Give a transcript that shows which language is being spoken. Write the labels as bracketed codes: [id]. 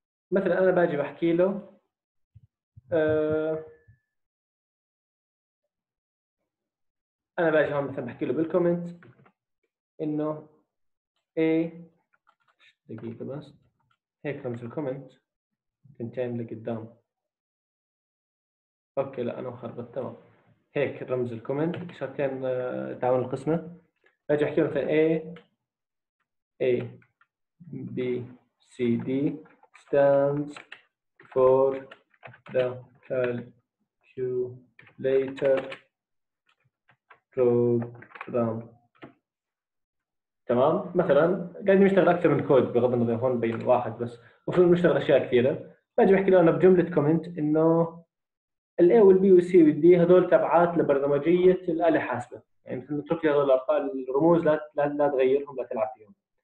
[ar] مثلا انا باجي بحكي له انا باجي هون مثلا بحكي له بالكومنت انه A، دقيقة بس، هيك رمز الكومنت، تنتين لقدام. اوكي لا انا مخربط، تمام. هيك رمز الكومنت، اشارتين تعاون القسمة، اجي احكي مثلا [en] A A B C D stands for the calculator program. [ar] تمام، مثلا قاعدين نشتغل اكثر من كود بغض النظر هون بين واحد بس، المفروض نشتغل اشياء كثيرة. باجي بحكي له انا بجملة كومنت انه ال A وال B وال C وال D هذول تبعات لبرمجية الآلة الحاسبة، يعني مثلا اترك لي هذول الأرقام الرموز، لا تغيرهم، لا تلعب فيهم.